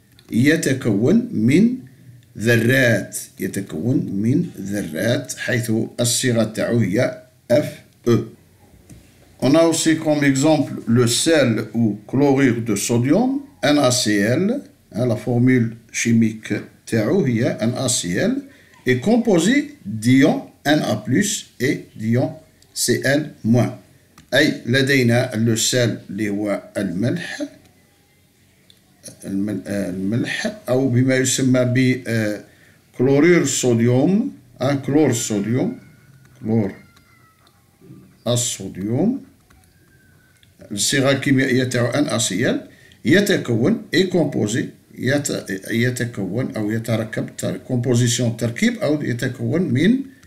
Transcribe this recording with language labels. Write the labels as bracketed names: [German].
[Arabic] يتكون من ذرات، يتكون من ذرات، حيث الصيغة تاعو هي اف او. [French] On a aussi comme exemple le sel ou chlorure de sodium, NaCl. La formule chimique [Arabic] تاعو هي [French] NaCl est composé d'ion Na+ et d'ion Cl-. [Arabic] أي لدينا لو سيل اللي هو الملح، الملح أو بما يسمى ب كلورير صوديوم، كلور صوديوم، كلور الصوديوم، الصيغة الكيميائية تاعو NaCl، يتكون إي كومبوزي، يتكون أو يتركب، كومبوزيسيون تركيب أو يتكون من،